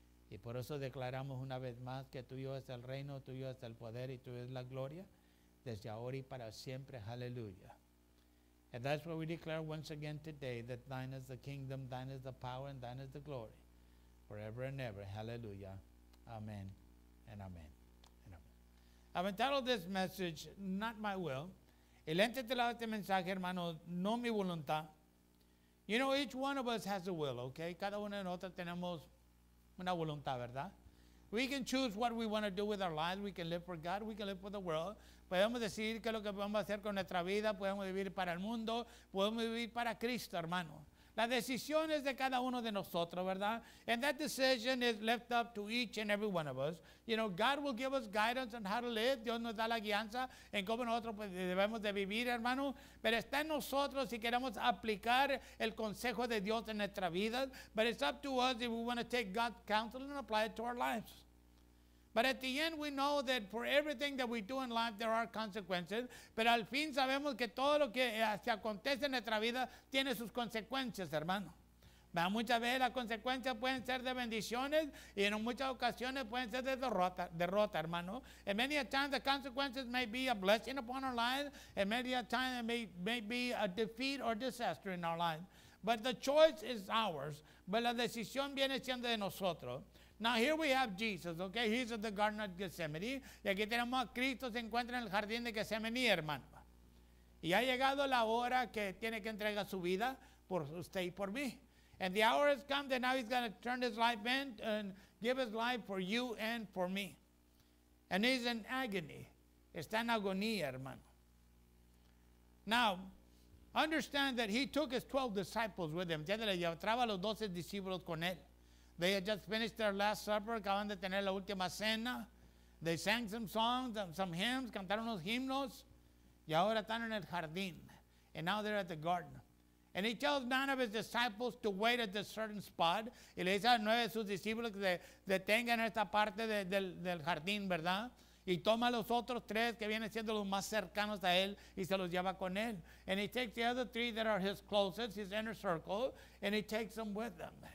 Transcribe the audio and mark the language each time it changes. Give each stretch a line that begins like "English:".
Spanish: Y por eso declaramos una vez más que tuyo es el reino, tuyo es el poder y tuyo es la gloria. Desde ahora y para siempre. Hallelujah.
English: And that's what we declare once again today, that thine is the kingdom, thine is the power, and thine is the glory. Forever and ever. Hallelujah. Amen and amen. And amen. I've entitled this message, Not My Will.
Spanish: El entitulado de este mensaje, hermano, no mi voluntad.
English: You know, each one of us has a will, okay?
Spanish: Cada uno de nosotros tenemos una voluntad, ¿verdad?
English: We can choose what we want to do with our lives. We can live for God. We can live for the world.
Spanish: Podemos decidir qué es lo que vamos a hacer con nuestra vida. Podemos vivir para el mundo. Podemos vivir para Cristo, hermano. La decisión es de cada uno de nosotros, ¿verdad?
English: And that decision is left up to each and every one of us. You know, God will give us guidance on how to live.
Spanish: Dios nos da la guianza en cómo nosotros pues, debemos de vivir, hermano. Pero está en nosotros si queremos aplicar el consejo de Dios en nuestra vida.
English: But it's up to us if we want to take God's counsel and apply it to our lives. But at the end, we know that for everything that we do in life, there are consequences.
Spanish: Pero al fin sabemos que todo lo que se acontece en nuestra vida tiene sus consecuencias, hermano. Pero muchas veces las consecuencias pueden ser de bendiciones y en muchas ocasiones pueden ser de derrota, hermano.
English: And many a time, the consequences may be a blessing upon our lives. And many a time, it may be a defeat or disaster in our lives. But the choice is ours. But
Spanish: la decisión viene siendo de nosotros.
English: Now here we have Jesus, okay? He's at the Garden of Gethsemane.
Spanish: Y aquí tenemos a Cristo, se encuentra en el jardín de Gethsemane, hermano. Y ha llegado la hora que tiene que entregar su vida por usted y por mí.
English: And the hour has come that now he's going to turn his life in and give his life for you and for me. And he's in agony.
Spanish: Está en agonía, hermano.
English: Now, understand that he took his 12 disciples with him.
Spanish: Ya le llevaba a los 12 discípulos con él.
English: They had just finished their last supper,
Spanish: acaban de tener la última cena.
English: They sang some songs, some hymns,
Spanish: cantaron los himnos. Y ahora están en el jardín.
English: And now they're at the garden. And he tells none of his disciples to wait at this certain spot.
Spanish: Y le dice a nueve de sus discípulos que se detengan en esta parte del jardín, ¿verdad? Y toma a los otros tres que vienen siendo los más cercanos a él y se los lleva con él.
English: And he takes the other three that are his closest, his inner circle, and he takes them with them.